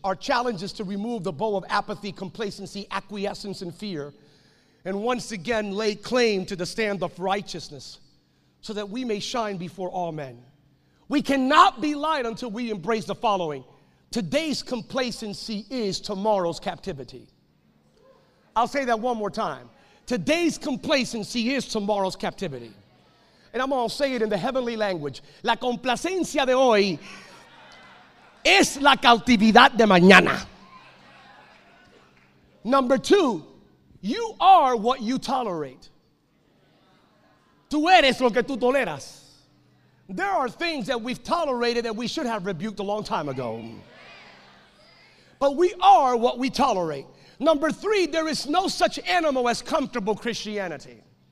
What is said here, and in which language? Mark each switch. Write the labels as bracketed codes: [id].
[en] Our challenge is to remove the bow of apathy, complacency, acquiescence, and fear, and once again lay claim to the stand of righteousness so that we may shine before all men. We cannot be light until we embrace the following. Today's complacency is tomorrow's captivity. I'll say that one more time. Today's complacency is tomorrow's captivity. And I'm going to say it in the heavenly language. [es] La complacencia de hoy es la cautividad de mañana. [en] Number two, you are what you tolerate. [es] Tú eres lo que tú toleras. [en] There are things that we've tolerated that we should have rebuked a long time ago. But we are what we tolerate. Number three, there is no such animal as comfortable Christianity.